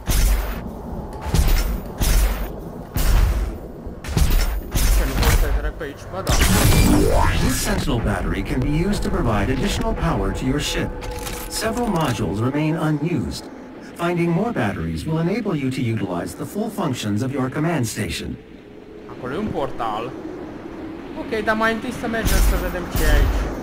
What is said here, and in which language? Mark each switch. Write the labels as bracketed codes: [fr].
[ro] Ce, nu pot să trec pe aici? Ba da. [en] This sentinel battery can be used to provide additional power to your ship. Several modules remain unused. Finding more batteries will enable you to utilize the full functions of your command station. [ro] Acolo e un portal. Ok, dar mai întâi să mergem să vedem ce e aici.